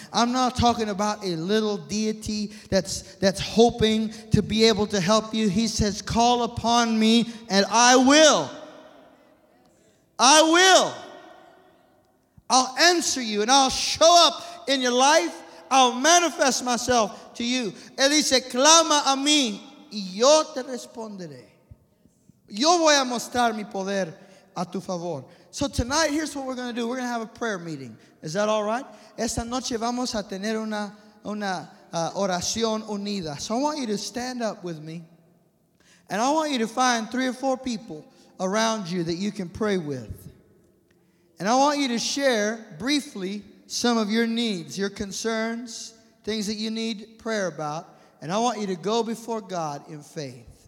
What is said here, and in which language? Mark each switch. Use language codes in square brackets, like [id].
[en] I'm not talking about a little deity that's hoping to be able to help you. He says, call upon me and I will. I will. I'll answer you and I'll show up in your life. I'll manifest myself to you. [es] Él dice, clama a mí y yo te responderé. Yo voy a mostrar mi poder a tu favor. [en] So tonight, here's what we're going to do. We're going to have a prayer meeting. Is that all right? [es] Esta noche vamos a tener una oración unida. [en] So I want you to stand up with me. And I want you to find three or four people around you that you can pray with. And I want you to share briefly some of your needs, your concerns, things that you need prayer about. And I want you to go before God in faith.